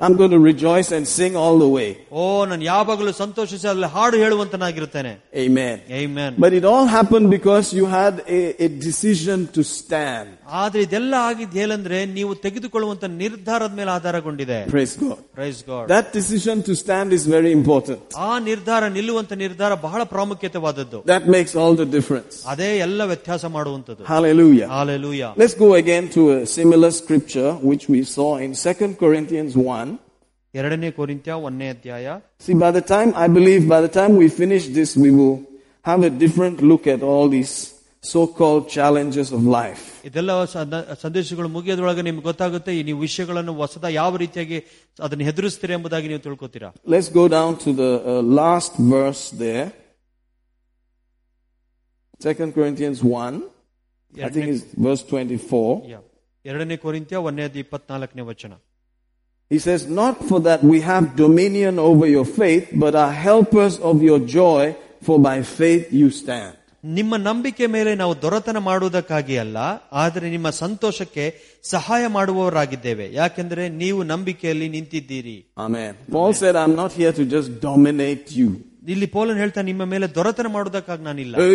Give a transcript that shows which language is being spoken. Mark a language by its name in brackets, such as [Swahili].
[English] I'm going to rejoice and sing all the way [Kannada] ಓ ನಾನು ಯಾವಾಗಲೂ ಸಂತೋಷಿಸಿ ಅಲ್ಲಿ ಹಾಡು ಹೇಳುವಂತನಾಗಿರುತ್ತೇನೆ [English] amen amen but it all happened because you had a decision to stand [Kannada] ಆದ್ರೆ ಇದೆಲ್ಲ ಆಗಿದ್ದು ಹೇಳಂದ್ರೆ ನೀವು ತೆಗೆದುಕೊಳ್ಳುವಂತ ನಿರ್ಧಾರದ ಮೇಲೆ ಆಧಾರಗೊಂಡಿದೆ [English] praise god praise god that decision to stand is very important [Kannada] ಆ ನಿರ್ಧಾರ ನಿಲ್ಲುವಂತ ನಿರ್ಧಾರ ಬಹಳ ಪ್ರಾಮುಖ್ಯತೆವಾದದ್ದು [English] that makes all the difference [Kannada] ಅದೇ ಎಲ್ಲ ವ್ಯತ್ಯಾಸ ಮಾಡುವಂತದ್ದು [English] hallelujah hallelujah let's go again to a similar scripture which we saw in 2 corinthians 1 [Kannada] ಎರಡನೇ ಕೊರಿಂಥ್ಯ ಒಂದನೇ ಅಧ್ಯಾಯ [English] see by the time I believe by the time we finish this we will have a different look at all these so-called challenges of life [Kannada] ಇದೆಲ್ಲ ಸಂದೇಶಗಳು ಮುಗಿಯೋದ್ರೊಳಗೆ ನಿಮ್ಗೆ ಗೊತ್ತಾಗುತ್ತೆ ಈ ನೀವು ವಿಷಯಗಳನ್ನು ಹೊಸದ ಯಾವ ರೀತಿಯಾಗಿ ಅದನ್ನು ಹೆದರಿಸ್ತೀರಿ ಎಂಬುದಾಗಿ ನೀವು ತಿಳ್ಕೊತೀರಾ [English] let's go down to the last verse the second Corinthians 1 I think is verse 24 [Kannada] ಎರಡನೇ ಕೊರಿಂಥ್ಯ ಒಂದನೇ ಅಧ್ಯಾಯ 24ನೇ ವಚನ [English] He says, not for that we have dominion over your faith, but are helpers of your joy, for by faith you stand. [Kannada] ನಿಮ್ಮ ನಂಬಿಕೆ ಮೇಲೆ ನಾವು ದೊರೆತನ ಮಾಡುವುದಕ್ಕಾಗಿ ಅಲ್ಲ ಆದರೆ ನಿಮ್ಮ ಸಂತೋಷಕ್ಕೆ ಸಹಾಯ ಮಾಡುವವರಾಗಿದ್ದೇವೆ ಯಾಕೆಂದ್ರೆ ನೀವು ನಂಬಿಕೆಯಲ್ಲಿ ನಿಂತಿದ್ದೀರಿ [English] amen Paul said I am not here to just dominate you [Kannada] ಇಲ್ಲಿ ಪೌಲನ್ ಹೇಳ್ತಾ ನಿಮ್ಮ ಮೇಲೆ ದೊರೆತನ ಮಾಡುವುದಕ್ಕಾಗಿ ನಾನಿಲ್ಲ